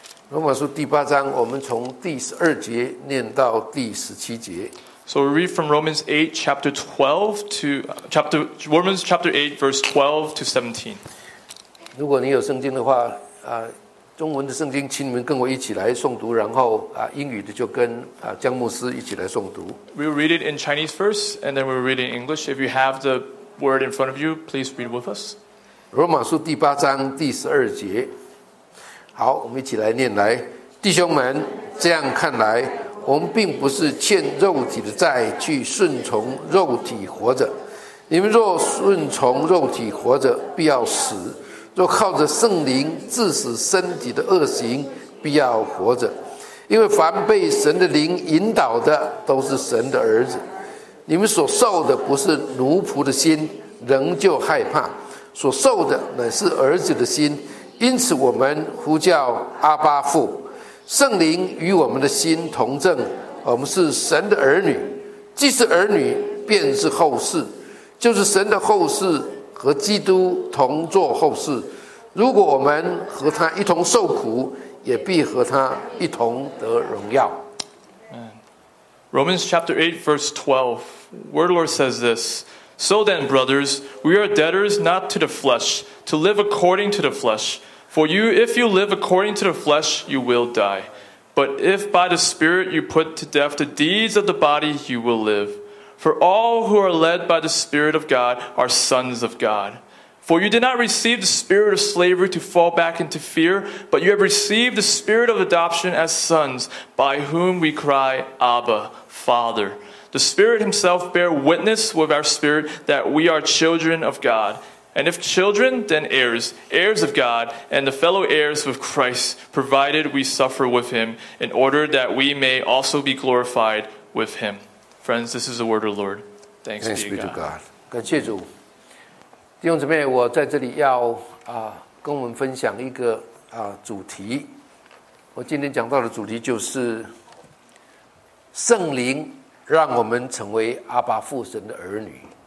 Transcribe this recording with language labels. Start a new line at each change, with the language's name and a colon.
Chinese: 罗马书第八章，我们从第十二节念到第十七节。
English: So we read from Romans 8, chapter 12 to Romans chapter 8, verse 12 to 17.
Chinese: 如果你有圣经的话，中文的圣经，请你们跟我一起来诵读，然后英语的就跟江牧师一起来诵读。
English: We'll read it in Chinese first, and then we'll read it in English. If you have the word in front of you, please read with us.
Chinese: 罗马书第八章第十二节。好，我们一起来念来。弟兄们，这样看来，我们并不是欠肉体的债去顺从肉体活着。你们若顺从肉体活着，必要死；若靠着圣灵致使身体的恶行，必要活着。因为凡被神的灵引导的，都是神的儿子。你们所受的不是奴仆的心，仍旧害怕；所受的乃是儿子的心，因此我们呼叫阿爸父。圣灵与我们的心同证，我们是神的儿女。既是儿女，便是后嗣，就是神的后嗣，和基督同作后嗣。如果我们和他一同受苦，也必和他一同得荣耀。
English: Romans chapter 8, verse 12. Word of the Lord says this: So then, brothers, we are debtors not to the flesh, to live according to the flesh. For you, if you live according to the flesh, you will die. But if by the Spirit you put to death the deeds of the body, you will live. For all who are led by the Spirit of God are sons of God. For you did not receive the spirit of slavery to fall back into fear, but you have received the spirit of adoption as sons, by whom we cry, Abba, Father. The Spirit himself bear witness with our spirit that we are children of God. And if children, then heirs, heirs of God, and the fellow heirs with Christ, provided we suffer with him, in order that we may also be glorified with him. Friends, this is the word of the Lord. Thanks be to God.
Chinese: 感谢主。弟兄姊妹，我在这里要跟我们分享一个主题。我今天讲到的主题就是圣灵让我们成为阿爸父神的儿女。